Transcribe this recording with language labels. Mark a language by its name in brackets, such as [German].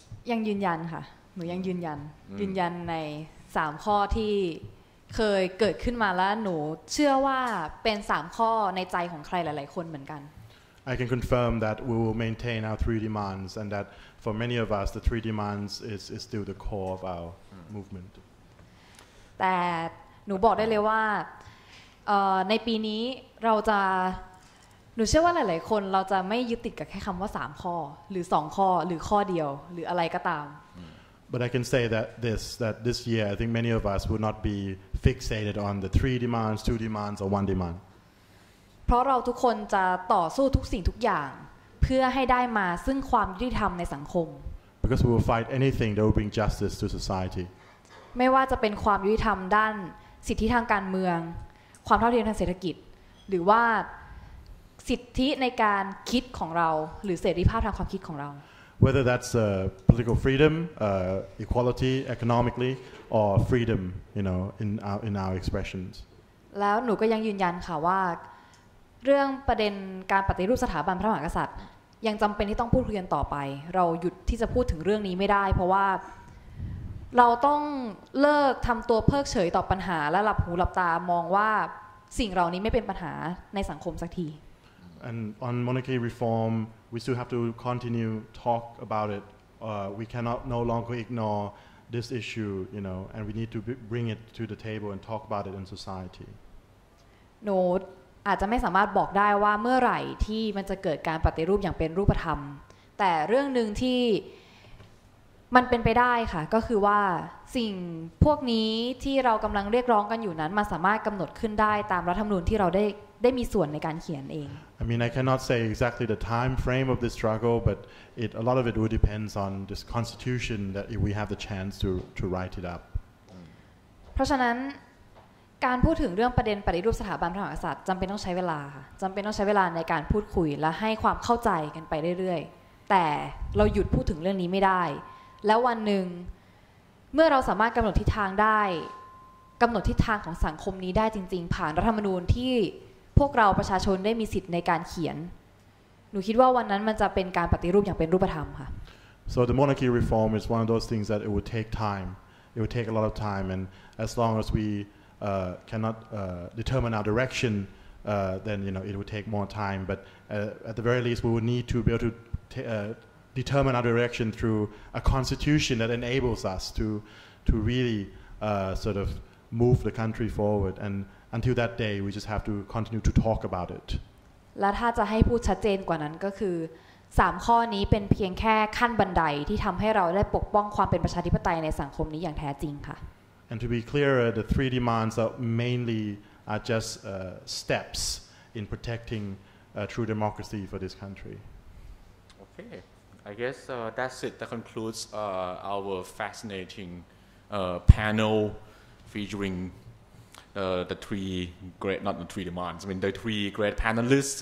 [Thai] ยังยืนยันค่ะหนูยังยืนยันใน3ข้อที่เคยเกิดขึ้นมาแล้วหนูเชื่อว่าเป็น3ข้อในใจของใครหลายๆคนเหมือนกัน [English] I can confirm that we will maintain our three demands and that for many of us the three demands is still the core of our movement [Thai] แต่หนูบอกได้เลยว่าในปีนี้เราจะหนูเชื่อว่าหลายๆคนเราจะไม่ยึดติดกับแค่คำว่า3ข้อหรือ2ข้อหรือข้อเดียวหรืออะไรก็ตาม [English] But I can say that this year, I think many of us will not be fixated on the three demands, two demands, or one demand. [Thai] เพราะเราทุกคนจะต่อสู้ทุกสิ่งทุกอย่างเพื่อให้ได้มาซึ่งความยุติธรรมในสังคม [English] Because we will fight anything that will bring justice to society. [Thai] ไม่ว่าจะเป็นความยุติธรรมด้านสิทธิทางการเมืองความเท่าเทียมทางเศรษฐกิจหรือว่าสิทธิในการคิดของเราหรือเสรีภาพทางความคิดของเรา [English] Whether that's political freedom, equality economically, or freedom, you know, in our expressions. [Thai] แล้วหนูก็ยังยืนยันค่ะว่าเรื่องประเด็นการปฏิรูปสถาบันพระมหากษัตริย์ยังจำเป็นที่ต้องพูดคุยกันต่อไปเราหยุดที่จะพูดถึงเรื่องนี้ไม่ได้เพราะว่าเราต้องเลิกทำตัวเพิกเฉยต่อปัญหาและหลับหูหลับตามองว่าสิ่งเหล่านี้ไม่เป็นปัญหาในสังคมสักที [English] And on monarchy reformWe still have to continue talk about it. We cannot no longer ignore this issue, you know, and we need to bring it to the table and talk about it in society. [Thai] No, อาจจะไม่สามารถบอกได้ว่าเมื่อไหร่ที่มันจะเกิดการปฏิรูปอย่างเป็นรูปธรรมแต่เรื่องนึงที่มันเป็นไปได้ค่ะก็คือว่าสิ่งพวกนี้ที่เรากำลังเรียกร้องกันอยู่นั้นมันสามารถกำหนดขึ้นได้ตามรัฐธรรมนูญที่เราได้มีส่วนในการเขียนเอง [English] I mean I cannot say exactly the time frame of this struggle but a lot of it will depends on this constitution that if we have the chance to write it up [Thai] เพราะฉะนั้นการพูดถึงเรื่องประเด็นปฏิรูปสถาบันพระมหากษัตริย์จำเป็นต้องใช้เวลาจำเป็นต้องใช้เวลาในการพูดคุยและให้ความเข้าใจกันไปเรื่อยๆแต่เราหยุดพูดถึงเรื่องนี้ไม่ได้แล้ววันนึงเมื่อเราสามารถกำหนดทิศทางได้กำหนดทิศทางของสังคมนี้ได้จริงๆผ่านรัฐธรรมนูญที่พวกเราประชาชนได้มีสิทธิ์ในการเขียนหนูคิดว่าวันนั้นมันจะเป็นการปฏิรูปอย่างเป็นรูปธรรมค่ะ [English] So the monarchy reform is one of those things that it would take time it would take a lot of time and as long as we cannot determine our direction then you know it would take more time but at the very least we would need to be able to determine our direction through a constitution that enables us to really sort of move the country forward. And until that day, we just have to continue to talk about it. [Thai] และถ้าจะให้พูดชัดเจนกว่านั้นก็คือ3ข้อนี้เป็นเพียงแค่ขั้นบันไดที่ทำให้เราได้ปกป้องความเป็นประชาธิปไตยในสังคมนี้อย่างแท้จริงค่ะ [English] And to be clearer, the three demands are mainly are just steps in protecting true democracy for this country. Okay. I guess that's it. That concludes our fascinating panel featuring the three great, not the three demands, I mean the three great panelists.